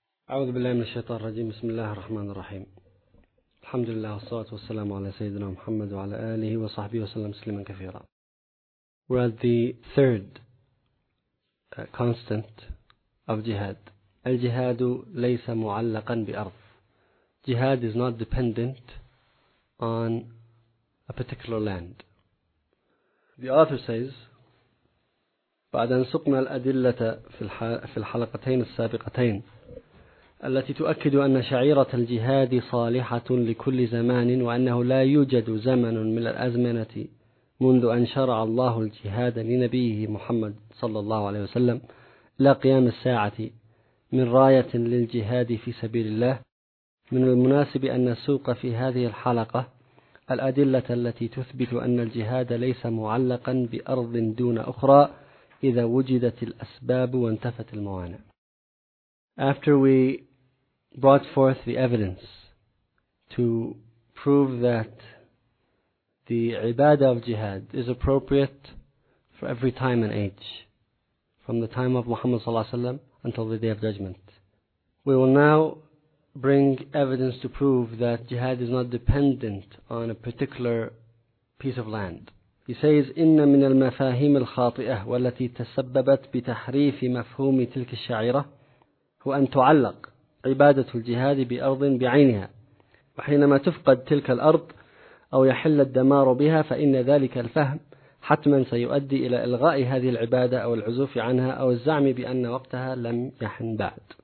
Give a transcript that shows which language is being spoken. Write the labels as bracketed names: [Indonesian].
[Arabic] أعوذ بالله من الشيطان الرجيم. بسم الله الرحمن الرحيم. الحمد لله والصلاة والسلام على سيدنا محمد وعلى آله وصحبه وسلم تسليما كثيرا. [English] We're at the third constant of jihad. [Arabic] الجهاد ليس معلقا بأرض. [English] Jihad is not dependent on a particular land. The author says, [Arabic] بعد أن سقنا الأدلة في الحلقتين السابقتين التي تؤكد أن شعيرة الجهاد صالحة لكل زمان وأنه لا يوجد زمن من الأزمنة منذ أن شرع الله الجهاد لنبيه محمد صلى الله عليه وسلم إلى قيام الساعة من راية للجهاد في سبيل الله، من المناسب أن نسوق في هذه الحلقة الأدلة التي تثبت أن الجهاد ليس معلقا بأرض دون أخرى إذا وجدت الأسباب وانتفت الموانع. [English] After we brought forth the evidence to prove that the ibadah of jihad is appropriate for every time and age, from the time of Muhammad sallallahu alaihi wasallam until the day of judgment, we will now bring evidence to prove that jihad is not dependent on a particular piece of land. He says, [Arabic] إن من المفاهيم الخاطئة والتي تسببت بتحريف مفهوم تلك الشعيرة هو أن تعلق عبادة الجهاد بأرض بعينها، وحينما تفقد تلك الأرض أو يحل الدمار بها فإن ذلك الفهم حتما سيؤدي إلى إلغاء هذه العبادة أو العزوف عنها أو الزعم بأن وقتها لم يحن بعد.